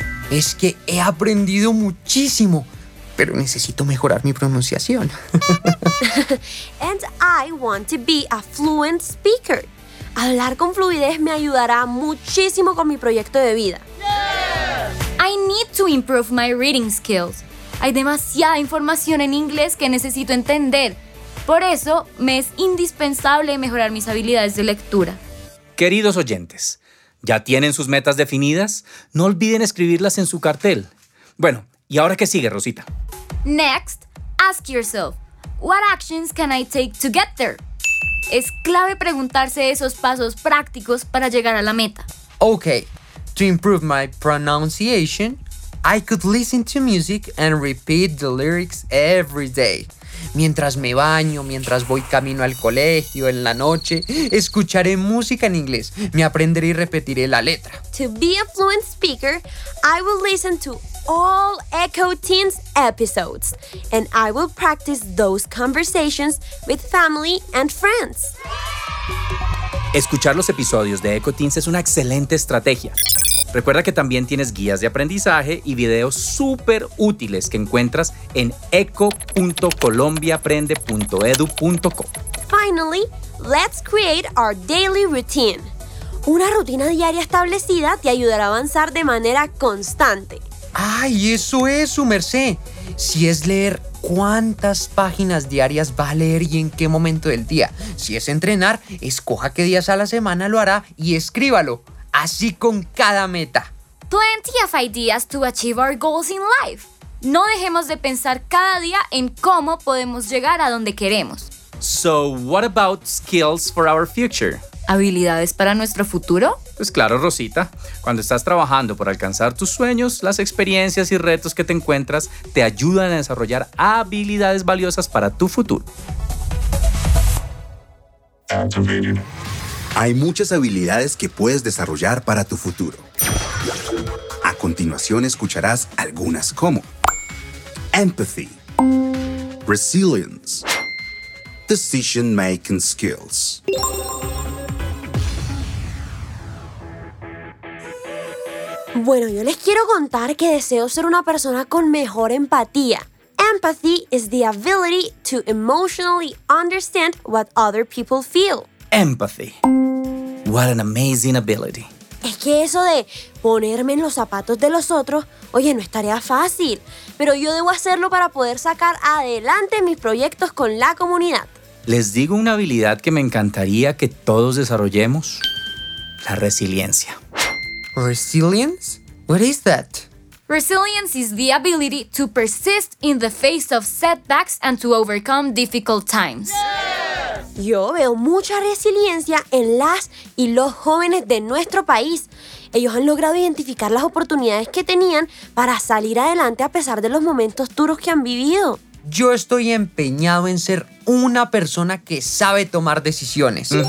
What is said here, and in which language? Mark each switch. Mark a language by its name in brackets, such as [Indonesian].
[Spanish] Es que he aprendido muchísimo, pero necesito mejorar mi pronunciación. [English] And I want to be a fluent speaker. [Spanish] Hablar con fluidez me ayudará muchísimo con mi proyecto de vida. [English] Yeah. I need to improve my reading skills. [Spanish] Hay demasiada información en inglés que necesito entender. Por eso, me es indispensable mejorar mis habilidades de lectura. Queridos oyentes, ¿ya tienen sus metas definidas? No olviden escribirlas en su cartel. Bueno, ¿y ahora qué sigue, Rosita? [English] Next, ask yourself, what actions can I take to get there? [Spanish] Es clave preguntarse esos pasos prácticos para llegar a la meta. [English] Okay, to improve my pronunciation, I could listen to music and repeat the lyrics every day. [Spanish] Mientras me baño, mientras voy camino al colegio, en la noche, escucharé música en inglés. Me aprenderé y repetiré la letra. [English] To be a fluent speaker, I will listen to all Eco Teens episodes. And I will practice those conversations with family and friends. [Spanish] Escuchar los episodios de Echo Teens es una excelente estrategia. Recuerda que también tienes guías de aprendizaje y videos súper útiles que encuentras en eco.colombiaaprende.edu.co. [English] Finally, let's create our daily routine. [Spanish] Una rutina diaria establecida te ayudará a avanzar de manera constante. ¡Ay, eso es, su merced! Si es leer cuántas páginas diarias va a leer y en qué momento del día. Si es entrenar, escoja qué días a la semana lo hará y escríbalo. Así con cada meta. [English] Plenty of ideas to achieve our goals in life. [Spanish] No dejemos de pensar cada día en cómo podemos llegar a donde queremos. [English] So, what about skills for our future? [Spanish] ¿Habilidades para nuestro futuro? Pues claro, Rosita. Cuando estás trabajando por alcanzar tus sueños, las experiencias y retos que te encuentras te ayudan a desarrollar habilidades valiosas para tu futuro. Hay muchas habilidades que puedes desarrollar para tu futuro. A continuación escucharás algunas como [English] Empathy, Resilience, Decision Making Skills. [Spanish] Bueno, yo les quiero contar que deseo ser una persona con mejor empatía. [English] Empathy is the ability to emotionally understand what other people feel. Empathy. What an amazing ability. [Spanish] Es que eso de ponerme en los zapatos de los otros, oye, no es tarea fácil. Pero yo debo hacerlo para poder sacar adelante mis proyectos con la comunidad. Les digo una habilidad que me encantaría que todos desarrollemos. La resiliencia. [English] Resilience? What is that? Resilience is the ability to persist in the face of setbacks and to overcome difficult times. Yes! [Spanish] Yo veo mucha resiliencia en las y los jóvenes de nuestro país. Ellos han logrado identificar las oportunidades que tenían para salir adelante a pesar de los momentos duros que han vivido. Yo estoy empeñado en ser una persona que sabe tomar decisiones.